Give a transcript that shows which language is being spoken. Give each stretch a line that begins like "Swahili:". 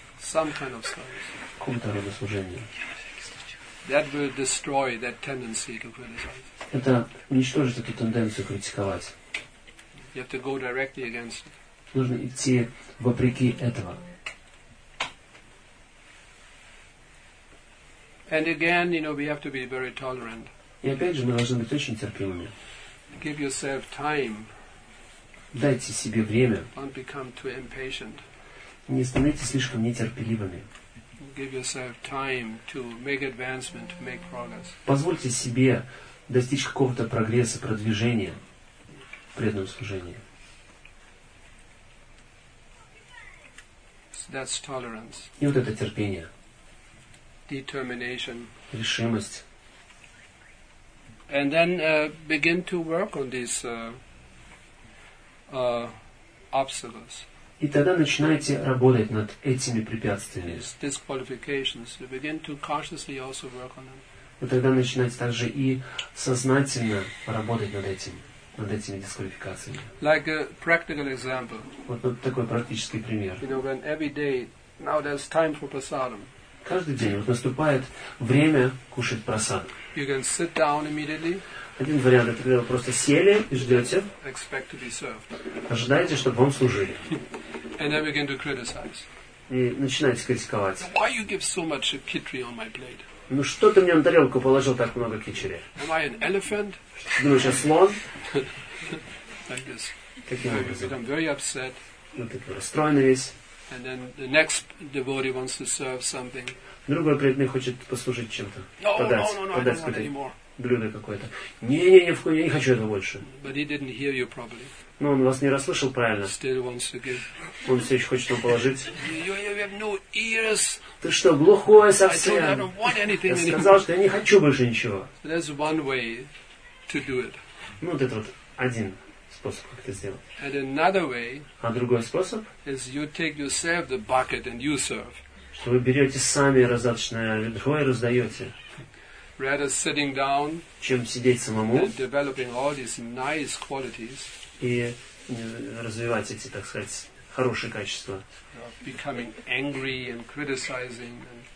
English: some kind of service.
Russian: Какого-то рода служение.
English: That will destroy that tendency to criticize.
Russian: Это уничтожит эту тенденцию критиковать.
English: You have to go directly against it.
Russian: Нужно идти вопреки этого.
English: And again, you know, we have to be very tolerant.
Russian: И опять же, мы должны быть очень терпимыми.
English: Give yourself time.
Russian: Дайте себе время.
English: Don't become too impatient.
Russian: Не становитесь слишком нетерпеливыми.
English: Give yourself time to make advancement, to make progress.
Russian: Позвольте себе достичь какого-то прогресса, продвижения в преданном служении.
English: So that's tolerance.
Russian: И вот это терпение.
English: Determination.
Russian: Решимость.
English: And then begin to work on these obstacles.
Russian: И тогда начинайте работать над этими препятствиями.
English: Disqualifications. You begin to consciously also work on them.
Russian: И тогда начинайте также и сознательно работать над этим, над этими дисквалификациями.
English: Like a practical example.
Russian: Вот такой практический пример.
English: You know, when every day now there's time for prasadam.
Russian: Каждый день вот наступает время кушать прасад.
English: You can sit down immediately.
Russian: Один вариант, это когда вы просто сели и ждете.
English: Expect to be served.
Russian: Ожидаете, чтобы вам служили.
English: And then begin to criticize.
Russian: И начинаете критиковать.
English: Why you give so much khichdi on my plate?
Russian: Ну что ты мне на тарелку положил так много кичери?
English: Am I an elephant?
Russian: Ты думаешь, я слон?
English: Like this.
Russian: Каким образом?
English: I'm very upset.
Russian: Ну ты расстроенный весь.
English: And then the next devotee wants to serve something.
Russian: Другой преданный хочет послужить чем-то. Подать блюдо какое-то. Не, я не хочу этого больше.
English: But he didn't hear you properly.
Russian: Но он вас не расслышал правильно.
English: Still wants to give.
Russian: Он все еще хочет вам положить.
English: You have no ears.
Russian: Ты что, глухой совсем?
English: I don't want anything.
Russian: Я сказал, что я не хочу больше ничего.
English: There's one way to do it.
Russian: Ну, вот это вот один способ, как это сделать.
English: And another way,
Russian: а другой способ?
English: Is you take yourself the bucket and you serve.
Russian: Что вы берете сами раздаточное ведро и раздаете.
English: Rather sitting down,
Russian: чем сидеть самому
English: and developing all these nice qualities,
Russian: и развивать эти, так сказать, хорошие качества.
English: Becoming angry and criticizing, and